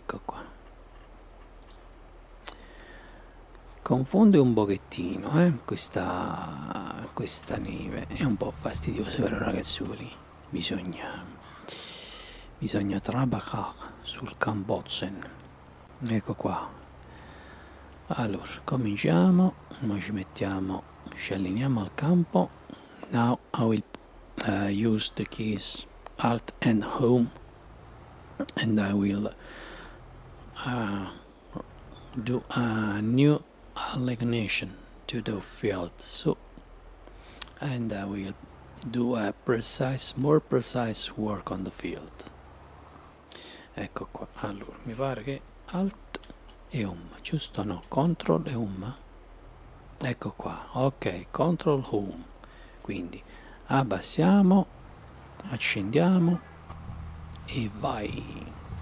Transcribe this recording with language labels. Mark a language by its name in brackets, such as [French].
[Italian] Ecco qua, confonde un pochettino questa neve, è un po' fastidiosa, però ragazzuoli, bisogna trabajare sul Kambotsen. Ecco qua, allora cominciamo, noi ci mettiamo, ci allineiamo al campo. [English] Now I will use the keys Alt and Home and I will do a new alignation to the field. So, and I will do a more precise work on the field. [Italian] Ecco qua, allora mi pare che Alt e Home, giusto? No, Control e Home. Ecco qua, ok, Control Home. Quindi abbassiamo, accendiamo e vai.